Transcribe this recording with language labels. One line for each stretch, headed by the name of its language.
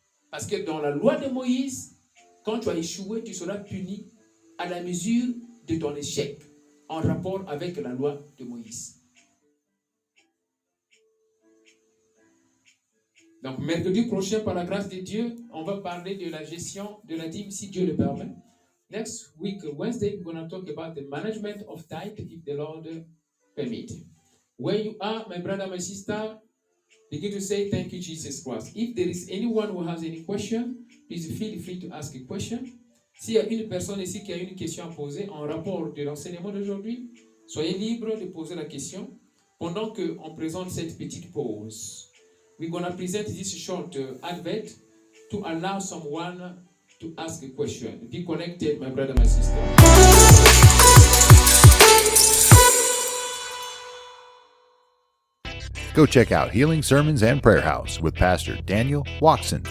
French: Parce que dans la loi de Moïse, quand tu as échoué, tu seras puni à la mesure de ton échec en rapport avec la loi de Moïse. Donc, mercredi prochain, par la grâce de Dieu, on va parler de la gestion de la dîme, si Dieu le permet.
English: Next week, Wednesday, we're going to talk about the management of tithe, if the Lord permit. Where you are, my brother, my sister, begin to say thank you, Jesus Christ. If there is anyone who has any question, please feel free to ask a question.
French: S'il y a une personne ici qui a une question à poser en rapport de l'enseignement d'aujourd'hui, soyez libre de poser la question pendant qu'on présente cette petite pause.
English: We're going to present this short advert to allow someone to ask a question. Be connected, my brother, my sister. Go check out Healing Sermons and Prayer House with Pastor Daniel Watson.